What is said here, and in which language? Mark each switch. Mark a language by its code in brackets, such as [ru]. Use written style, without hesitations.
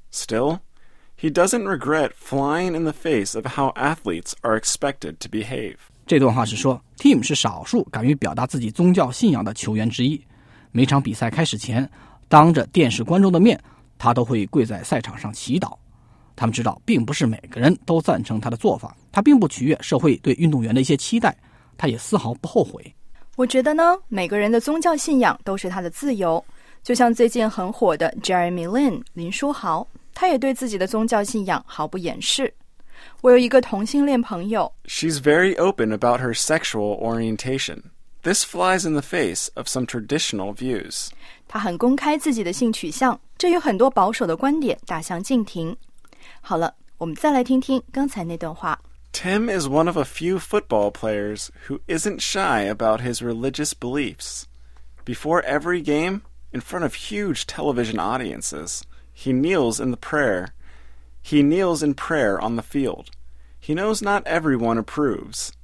[en] Still, he doesn't regret flying in the face of how athletes are expected to behave. [zh] 这段话是说 ,Tim 是少数敢于表达自己宗教信仰的球员之一。每场比赛开始前，当着电视观众的面，他都会跪在赛场上祈祷。他们知道并不是每个人都赞成他的做法，他并不取悦社会对运动员的一些期待，他也丝毫不后悔。我觉得呢，每个人的宗教信仰都是他的自由。就像最近很火的 Jeremy Lin 林书豪，他也对自己的宗教信仰毫不掩饰。我有一个同性恋朋友。 [en] She's very open about her sexual orientation. This flies in the face of some traditional views. [zh] 她很公开自己的性取向，这与很多保守的观点大相径庭。好了，我们再来听听刚才那段话。 [en] Tim is one of a few football players who isn't shy about his religious beliefs. Before every game, in front of huge television audiences, he kneels in the prayer. He kneels in prayer on the field. He knows not everyone approves.